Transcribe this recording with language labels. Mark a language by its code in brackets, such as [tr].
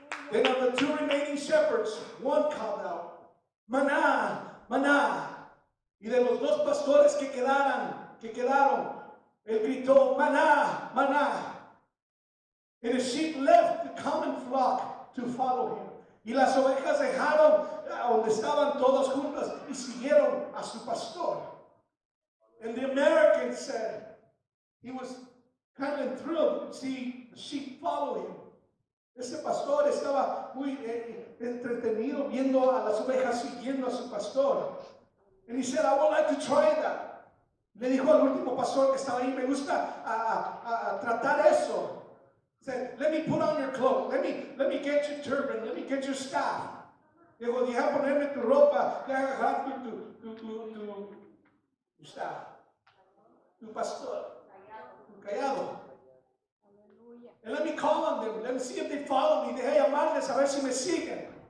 [en] Then of the two remaining shepherds, one called out, Maná, Maná. [es] Y de los dos pastores que quedaron, él gritó, Maná, Maná. [en] And the sheep left the common flock to follow him. [es] Y las ovejas dejaron donde estaban todas juntas y siguieron a su pastor. [en] And the American said, he was kind of thrilled to see the sheep follow him. [es] Ese pastor estaba muy entretenido viendo a las ovejas siguiendo a su pastor. [en] And he said, I would like to try that. [es] Le dijo al último pastor que estaba ahí, me gusta tratar eso. [en] He said, let me put on your cloak. Let me get your turban. Let me get your staff. [es] Dijo, deja ponerme tu ropa. Deja agarrarme tu staff. Tu pastor. Tu callado. [en] And let me call on them. Let me see if they follow me. [es] Deja llamarles a ver si me siguen.